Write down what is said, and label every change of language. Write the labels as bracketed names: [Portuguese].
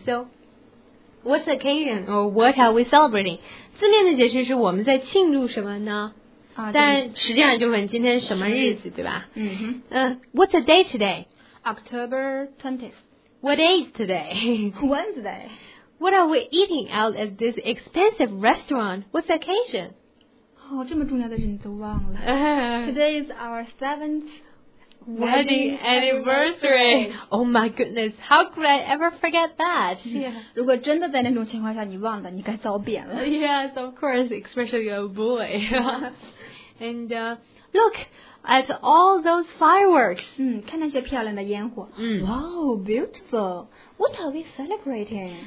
[English] So what's the occasion or what are we celebrating？ [Chinese] 字面的解释是我们在庆祝什么呢？但实际上就问今天什么日子，对吧？ [English] What's the day today？ October 20th。 What day is today？ Wednesday。 What are we eating out at this expensive restaurant? What's the occasion? [Chinese] 哦，这么重要的日子都忘了。 [English] Today is our 7th wedding anniversary. Oh my goodness, how could I ever forget that? Yeah. [Chinese] 如果真的在那种情况下你忘了，你该遭扁了。 [English] Yes, of course, especially a boy. And look at all those fireworks. [Chinese] 看那些漂亮的烟火。 [English] Wow, beautiful. What are we celebrating?